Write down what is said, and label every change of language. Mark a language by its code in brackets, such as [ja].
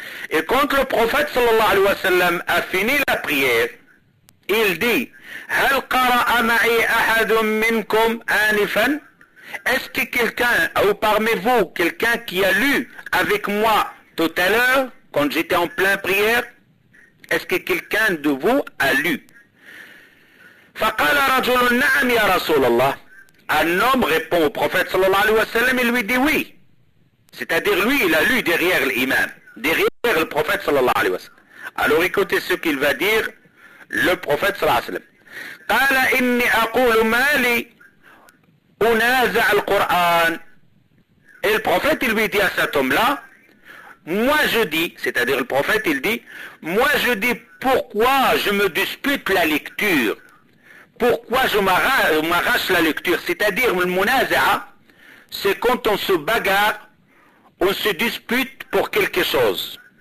[fr] Et quand le prophète sallallahu alayhi wa sallam a fini la prière, il dit, [ar] هل قرأ معي أحد منكم آنفا؟ [fr] Est-ce que quelqu'un, ou parmi vous, quelqu'un qui a lu avec moi tout à l'heure, quand j'étais en plein prière, est-ce que quelqu'un de vous a lu? [ar] فقال رجل نعم يا رسول الله. [fr] Un homme répond au prophète sallallahu alayhi wa sallam et lui dit oui. C'est-à-dire lui, il a lu derrière l'imam, derrière le prophète sallallahu alayhi wa sallam. Alors écoutez ce qu'il va dire le prophète sallallahu alayhi wa sallam. [ar] قال إني أقول مالي أنازع القرآن. [fr] Et le prophète lui dit à cet homme là, moi je dis, c'est-à-dire le prophète il dit, moi je dis pourquoi je me dispute la lecture, pourquoi je m'arrache la lecture, c'est-à-dire le munaza'a, c'est quand on se bagarre, on se dispute pour quelque chose.